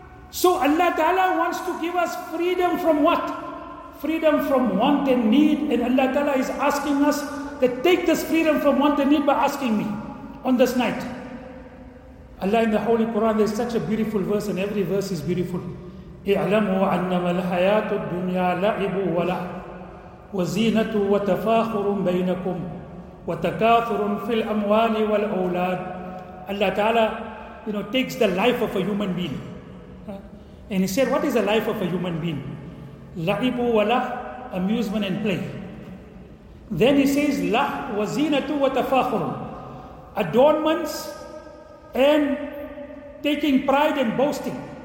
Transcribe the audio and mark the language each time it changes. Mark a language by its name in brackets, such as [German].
[English] So Allah ta'ala wants to give us freedom from what? Freedom from want and need, and Allah ta'ala is asking us that take this freedom from want and need by asking me on this night. Allah in the Holy Quran, there is such a beautiful verse, and every verse is beautiful. [Arabic] اعلموا أنما الحياة الدنيا لعب ولعب وزينة وتفاخر بينكم وتكاثر في الأموال والأولاد. [English] Allah ta'ala, you know, takes the life of a human being. And he said, what is the life of a human being? [Arabic] لعب ولعب, [English] amusement and play. Then he says, [Arabic] لعب وزينة وتفاخر, [English] adornments and taking pride and boasting.